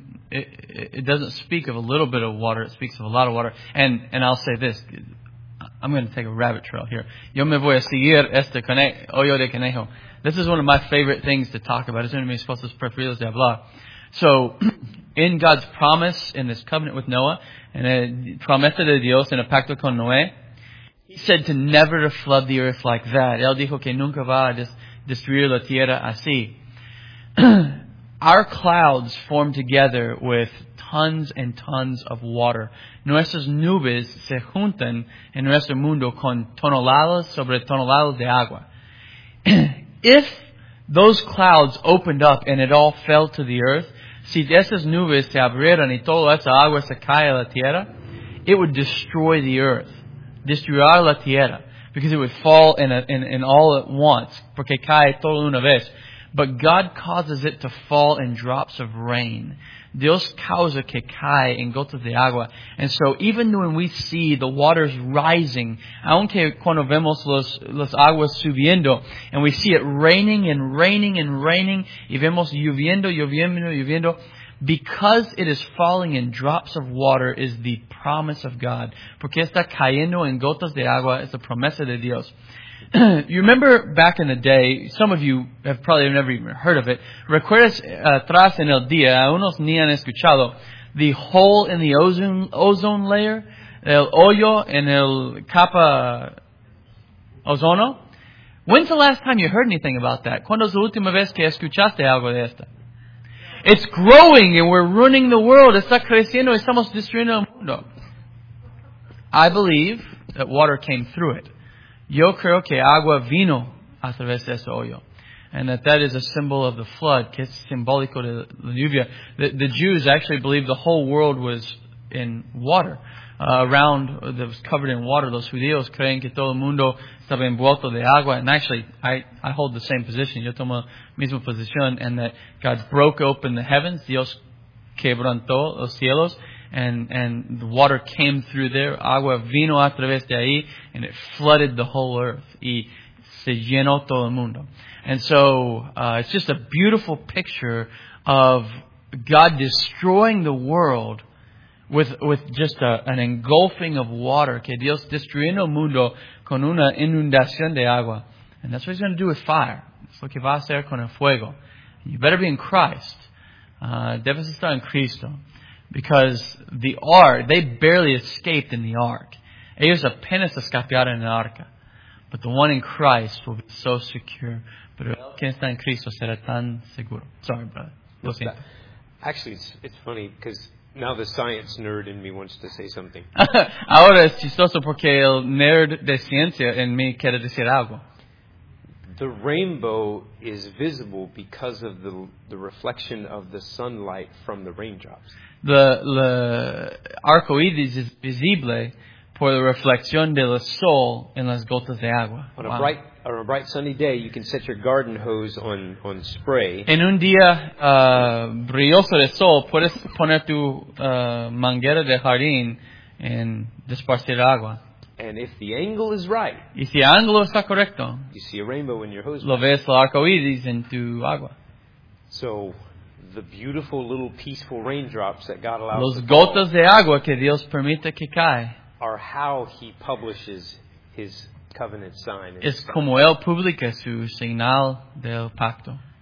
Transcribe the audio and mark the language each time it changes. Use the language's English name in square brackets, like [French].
[English] It doesn't speak of a little bit of water. It speaks of a lot of water. And I'll say this. I'm going to take a rabbit trail here. [Spanish] Yo me voy a seguir este hoyo de conejo. [English] This is one of my favorite things to talk about. It's going to be supposed to be [Spanish] preferidos de hablar. [English] So, in God's promise, in this covenant with Noah, [Spanish] and promesa de Dios en el pacto con Noé, [English] He said to never to flood the earth like that. [Spanish] Él dijo que nunca va a destruir la tierra así. [English] Our clouds form together with tons and tons of water. [Spanish] Nuestras nubes se juntan en nuestro mundo con toneladas sobre toneladas de agua. [English] If those clouds opened up and it all fell to the earth, [Spanish] si esas nubes se abrieran y toda esa agua se cae a la tierra, [English] it would destroy the earth. [Spanish] Destruir la tierra. [English] Because it would fall in all at once. [Spanish] Porque cae todo una vez. [English] But God causes it to fall in drops of rain. [Spanish] Dios causa que cae en gotas de agua. [English] And so even when we see the waters rising, [Spanish] aunque cuando vemos las aguas subiendo, [English] and we see it raining and raining and raining, [Spanish] y vemos lloviendo, lloviendo, lloviendo, [English] because it is falling in drops of water is the promise of God. [Spanish] Porque está cayendo en gotas de agua es la promesa de Dios. [English] You remember back in the day, some of you have probably never even heard of it. [Spanish] Recuerdas atrás en el día, unos ni han escuchado, [English] the hole in the ozone layer, [Spanish] el hoyo en el capa ozono. [English] When's the last time you heard anything about that? [Spanish] ¿Cuándo es la última vez que escuchaste algo de esto? [English] It's growing and we're ruining the world. [Spanish] Está creciendo y estamos destruyendo el mundo. [English] I believe that water came through it. [Spanish] Yo creo que agua vino a través de ese hoyo. [English] And that is a symbol of the flood, [Spanish] que es simbólico de la lluvia. [English] The Jews actually believed the whole world was in water, around, that was covered in water. [Spanish] Los judíos creen que todo el mundo estaba envuelto de agua. [English] And actually, I hold the same position. [Spanish] Yo tomo la misma posición, [English] and that God broke open the heavens. [Spanish] Dios quebrantó los cielos. [English] And the water came through there. [Spanish] Agua vino a través de ahí. [English] And it flooded the whole earth. [Spanish] Y se llenó todo el mundo. [English] And so, it's just a beautiful picture of God destroying the world with just an engulfing of water. [Spanish] Que Dios destruyendo el mundo con una inundación de agua. [English] And that's what He's going to do with fire. [Spanish] Es lo que va a hacer con el fuego. [English] You better be in Christ. [Spanish] Debes estar en Cristo. [English] Because the ark, they barely escaped in the ark. [Spanish] Ellos apenas escaparon en el arca. [English] But the one in Christ will be so secure. [Spanish] Pero el que está en Cristo será tan seguro. [English] Sorry, brother. Actually, it's funny because now the science nerd in me wants to say something. [Spanish] Ahora es chistoso porque el nerd de ciencia en mí quiere decir algo. [English] The rainbow is visible because of the reflection of the sunlight from the raindrops. The arcoíris is visible [Spanish] por la reflexión del sol en las gotas de agua. [English] On a bright sunny day, you can set your garden hose on spray. [Spanish] En un día brilloso de sol, puedes poner tu manguera de jardín en desparcir agua. [English] And if the angle is right, [Spanish] y si el ángulo está correcto, [English] you see a rainbow in your hose. [Spanish] Lo ves el arcoíris en tu agua. [English] So, the beautiful little peaceful raindrops that God allows. [Spanish] Los gotas de agua que Dios permite que cae. [English] Are how He publishes His covenant sign. [Spanish] Es como él publica su señal del pacto.